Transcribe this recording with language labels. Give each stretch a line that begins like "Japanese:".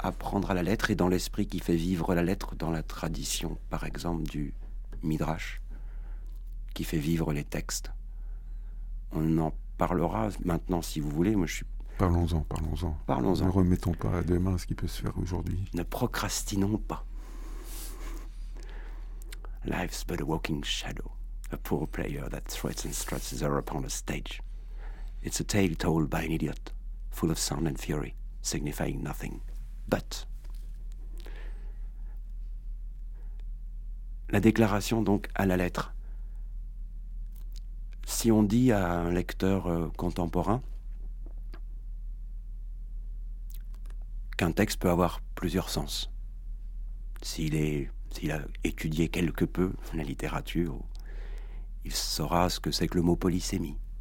French: Apprendre à la lettre et dans l'esprit qui fait vivre la lettre, dans la tradition, par exemple, du Midrash, qui fait vivre les textes. On en parlera maintenant, si vous voulez. Moi, je suis... Parlons-en. Parlons-en. Ne remettons pas à demain ce qui peut se faire aujourd'hui. Ne procrastinons pas.
English: Life's but a walking shadow. A poor player that threats and struts is there upon a stage. It's a tale told by an idiot, full of sound and fury, signifying nothing but.
French: La déclaration donc à la lettre. Si on dit à un lecteur contemporain qu'un texte peut avoir plusieurs sens, s'il a étudié quelque peu la littérature, il saura ce que c'est que le mot polysémie.